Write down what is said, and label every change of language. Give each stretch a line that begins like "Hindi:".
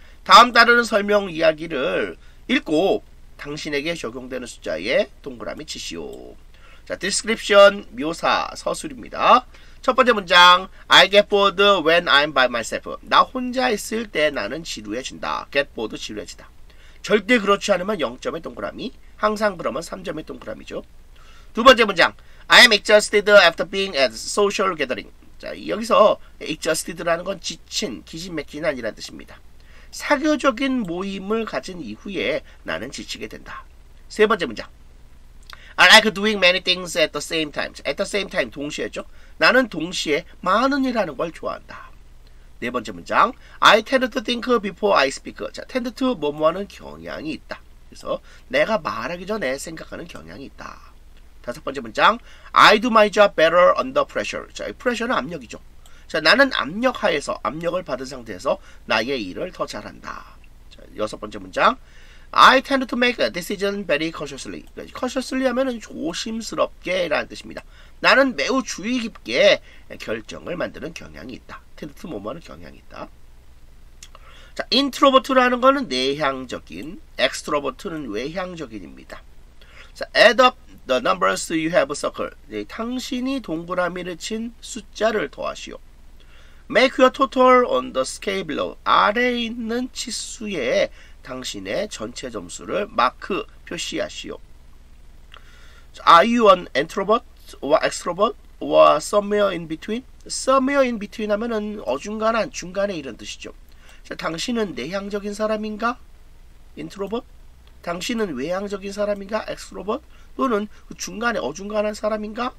Korean: 다음 따르는 설명 이야기를 읽고 당신에게 적용되는 숫자에 동그라미 치시오. 자, description 묘사 서술입니다. 첫 번째 문장,
English: I get bored when I'm by myself.
Korean: 나 혼자 있을 때 나는 지루해진다.
English: Get bored
Korean: 지루해진다. 절대 그렇지 않으면 0점의 동그라미, 항상 그러면 3점의 동그라미죠. 두 번째 문장,
English: I am exhausted after being at social gathering.
Korean: 자, 여기서 exhausted라는 건 지친, 기진맥진한이라는 뜻입니다. 사교적인 모임을 가진 이후에 나는 지치게 된다. 세 번째 문장,
English: I like doing many things at the same time. At the same time,
Korean: 동시에죠. 나는 동시에 많은 일하는 걸 좋아한다. 네 번째 문장,
English: I tend to think before I speak.
Korean: 자,
English: tend to
Korean: 뭐뭐하는 경향이 있다. 그래서 내가 말하기 전에 생각하는 경향이 있다. 다섯 번째 문장,
English: I do my job better under pressure.
Korean: 자, 이 pressure는 압력이죠. 자, 나는 압력 하에서, 압력을 받은 상태에서 나의 일을 더 잘한다.
English: 자,
Korean: 여섯 번째 문장,
English: I tend to make a decision very cautiously.
Korean: cautiously 하면은 조심스럽게 라는 뜻입니다. 나는 매우 주의 깊게 결정을 만드는 경향이 있다. 테드트 모모하는 경향이 있다. 자, 인트로버트라는 거는 내향적인, 엑스트로버트는 외향적인입니다.
English: 자, add up the numbers you have circled.
Korean: 네, 당신이 동그라미를 친 숫자를 더하시오.
English: Make your total on the scale below.
Korean: 아래에 있는 치수에 당신의 전체 점수를 마크 표시하시오.
English: Are you an introvert or extrovert or somewhere in between? Somewhere in between
Korean: 하면은 어중간한, 중간에 이런 뜻이죠. 자, 당신은 내향적인 사람인가?
English: Introvert?
Korean: 당신은 외향적인 사람인가?
English: Extrovert?
Korean: 또는 그 중간에 어중간한 사람인가?